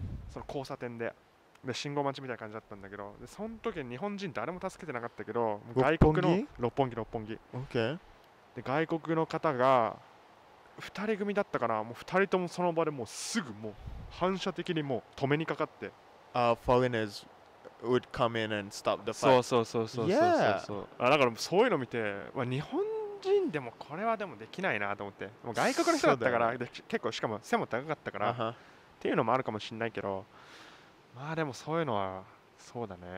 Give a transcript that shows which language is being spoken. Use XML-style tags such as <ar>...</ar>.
<ja>その交差点で信号待ちみたいな感じだったんだけど、でその時日本人誰も助けてなかったけど、外国の六本木。</ja> <en>Okay.</en> <ja>で外国の方が2人組だったかな、もう2人ともその場でもうすぐもう反射的にもう止めにかかって、</ja> <en>foreigners would come in and stop the fight.</en> <ja>そうそうそうそうそうそう、yeah. だからそういうの見て、まあ、日本人でもこれはでもできないなと思って、もう外国の人だったからで結構しかも背も高かったから、 uh-huh. っていうのもあるかもしれないけど、まあでもそういうのはそうだね、</ja>